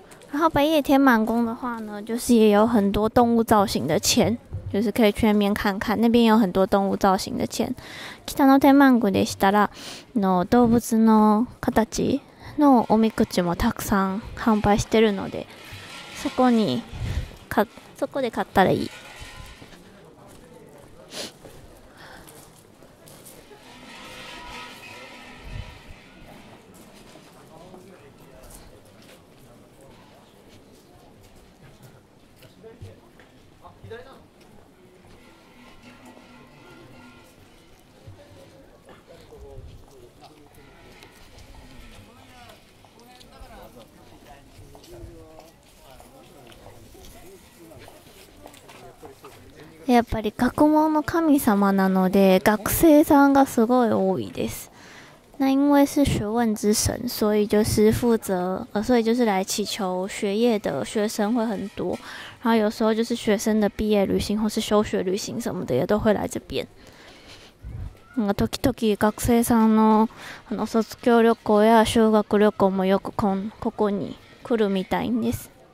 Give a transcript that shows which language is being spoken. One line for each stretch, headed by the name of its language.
Chinese: 然后北野天满宫的话呢，就是也有很多动物造型的签，就是可以去那边看看，那边有很多动物造型的签。
Japanese: 北野天满宮でしたら、の動物の形のおみくじもたくさん販売してるので、そこで買ったらいい。やっぱり学問の神様なので学生さんがすごい多いです。
Chinese: 那因为是学问之神，所以就是负责所以就是来祈求学业的学生会很多，然后有时候就是学生的毕业旅行或是休学旅行什么的也都会来这边。
Japanese: なんか時々学生さんの卒業旅行や修学旅行もよくここに来るみたいです。